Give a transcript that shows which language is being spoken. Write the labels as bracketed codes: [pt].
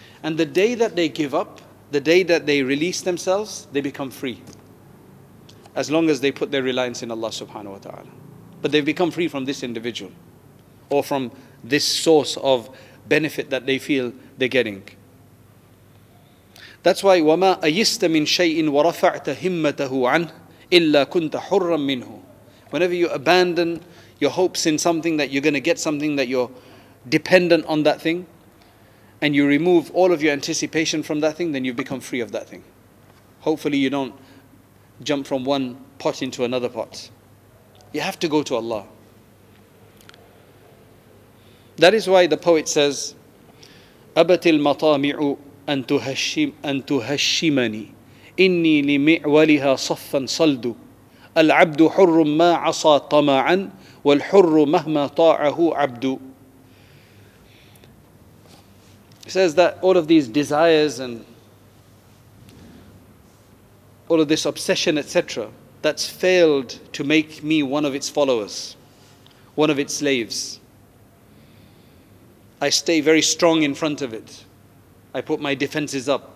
[en] And the day that they give up, the day that they release themselves, they become free. As long as they put their reliance in Allah subhanahu wa ta'ala. But they've become free from this individual. Or from this source of benefit that they feel they're getting. That's why, [ar] وَمَا أَيِسْتَ مِنْ شَيْءٍ وَرَفَعْتَ هِمَّتَهُ عَنْهُ إِلَّا كُنْتَ حُرًّا مِّنْهُ. [en] Whenever you abandon your hopes in something that you're going to get something, that you're dependent on that thing, and you remove all of your anticipation from that thing, then you become free of that thing. Hopefully you don't jump from one pot into another pot. You have to go to Allah. That is why the poet says, [ar] أَبَتِ الْمَطَامِعُ أَن تُهَشِّمَنِي إِنِّي لِمِعْوَلِهَا صَفًّا صَلْدُ الْعَبْدُ حُرٌّ مَا عَصَى طَمَعًا وَالْحُرُّ مَهْمَا طَاعَهُ عَبْدُ. [en] He says that all of these desires and all of this obsession, etc., that's failed to make me one of its followers, one of its slaves. I stay very strong in front of it. I put my defenses up.